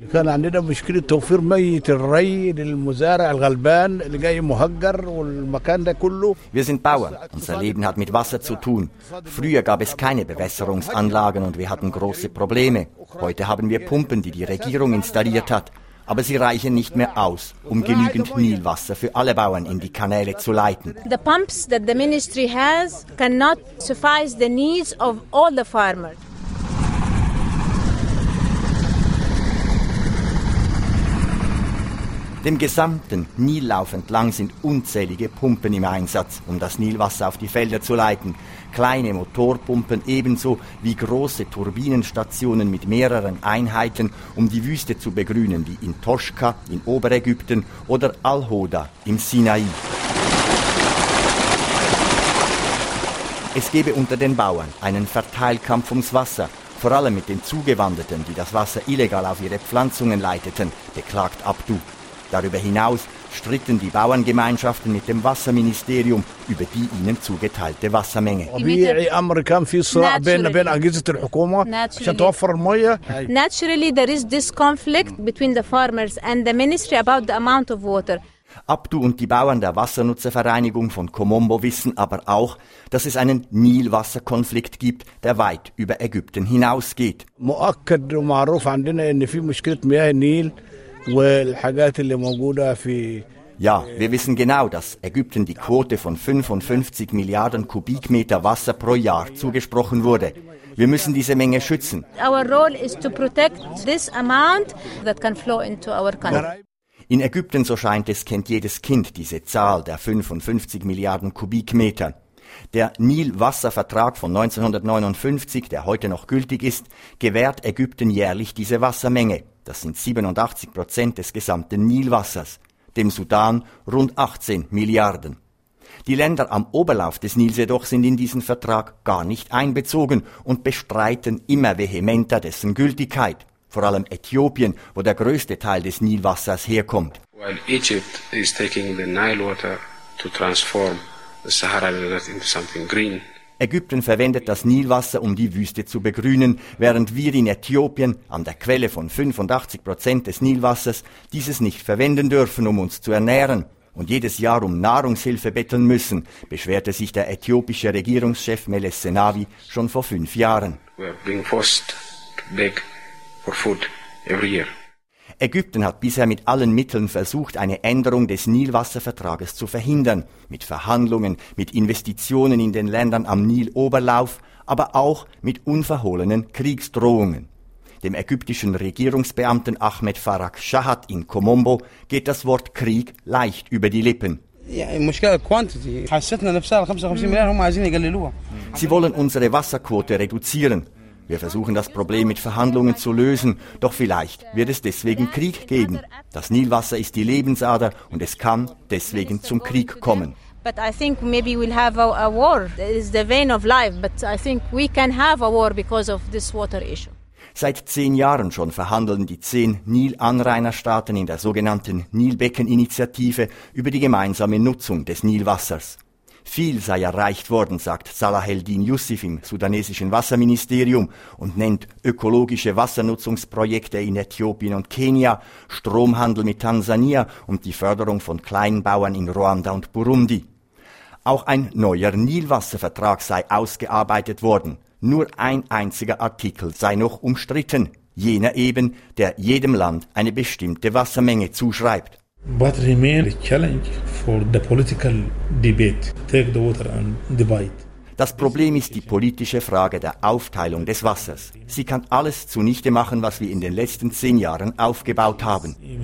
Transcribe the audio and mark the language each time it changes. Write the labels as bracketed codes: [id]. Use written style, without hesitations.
[de] Wir sind Bauern. Unser Leben hat mit Wasser zu tun. Früher gab es keine Bewässerungsanlagen und wir hatten große Probleme. Heute haben wir Pumpen, die die Regierung installiert hat. Aber sie reichen nicht mehr aus, um genügend Nilwasser für alle Bauern in die Kanäle zu leiten. [en] The pumps that the ministry has cannot suffice the needs of all the farmers. [de] Dem gesamten Nillauf entlang sind unzählige Pumpen im Einsatz, um das Nilwasser auf die Felder zu leiten. Kleine Motorpumpen ebenso wie große Turbinenstationen mit mehreren Einheiten, um die Wüste zu begrünen, wie in Toschka in Oberägypten oder Al-Hoda im Sinai. Es gebe unter den Bauern einen Verteilkampf ums Wasser, vor allem mit den Zugewanderten, die das Wasser illegal auf ihre Pflanzungen leiteten, beklagt Abdu. Darüber hinaus stritten die Bauerngemeinschaften mit dem Wasserministerium über die ihnen zugeteilte Wassermenge. [en] Naturally, there is this conflict between the farmers and the ministry about the amount of water. [de] Abdu und die Bauern der Wassernutzervereinigung von Komombo wissen aber auch, dass es einen Nilwasserkonflikt gibt, der weit über Ägypten hinausgeht. Ja, wir wissen genau, dass Ägypten die Quote von 55 Milliarden Kubikmeter Wasser pro Jahr zugesprochen wurde. Wir müssen diese Menge schützen. [en] Our role is to protect this amount that can flow into our country. [de] In Ägypten, so scheint es, kennt jedes Kind diese Zahl der 55 Milliarden Kubikmeter. Der Nil-Wasservertrag von 1959, der heute noch gültig ist, gewährt Ägypten jährlich diese Wassermenge. Das sind 87% des gesamten Nilwassers, dem Sudan rund 18 Milliarden. Die Länder am Oberlauf des Nils jedoch sind in diesen Vertrag gar nicht einbezogen und bestreiten immer vehementer dessen Gültigkeit. Vor allem Äthiopien, wo der größte Teil des Nilwassers herkommt. [en] While Egypt is taking the Nile water to transform the Sahara Desert into something green. [de] Ägypten verwendet das Nilwasser, um die Wüste zu begrünen, während wir in Äthiopien, an der Quelle von 85% des Nilwassers, dieses nicht verwenden dürfen, um uns zu ernähren. Und jedes Jahr um Nahrungshilfe betteln müssen, beschwerte sich der äthiopische Regierungschef Meles Zenawi schon vor 5 Jahren. [en] We are being forced to beg for food every year. [de] Ägypten hat bisher mit allen Mitteln versucht, eine Änderung des Nilwasservertrages zu verhindern. Mit Verhandlungen, mit Investitionen in den Ländern am Niloberlauf, aber auch mit unverhohlenen Kriegsdrohungen. Dem ägyptischen Regierungsbeamten Ahmed Farag Shahat in Komombo geht das Wort Krieg leicht über die Lippen. Sie wollen unsere Wasserquote reduzieren. Wir versuchen das Problem mit Verhandlungen zu lösen, doch vielleicht wird es deswegen Krieg geben. Das Nilwasser ist die Lebensader und es kann deswegen zum Krieg kommen. [en] But I think maybe we'll have a war. It's the vein of life, but I think we can have a war because of this water issue. [de] Seit 10 Jahren schon verhandeln die 10 Nil-Anrainerstaaten in der sogenannten Nilbecken-Initiative über die gemeinsame Nutzung des Nilwassers. Viel sei erreicht worden, sagt Salah el-Din Yusuf im sudanesischen Wasserministerium und nennt ökologische Wassernutzungsprojekte in Äthiopien und Kenia, Stromhandel mit Tansania und die Förderung von Kleinbauern in Ruanda und Burundi. Auch ein neuer Nilwasservertrag sei ausgearbeitet worden. Nur ein einziger Artikel sei noch umstritten, jener eben, der jedem Land eine bestimmte Wassermenge zuschreibt. [en] But remain a challenge for the political debate. Take the water and divide. [de] Das Problem ist die politische Frage der Aufteilung des Wassers. Sie kann alles zunichte machen, was wir in den letzten 10 Jahren aufgebaut haben.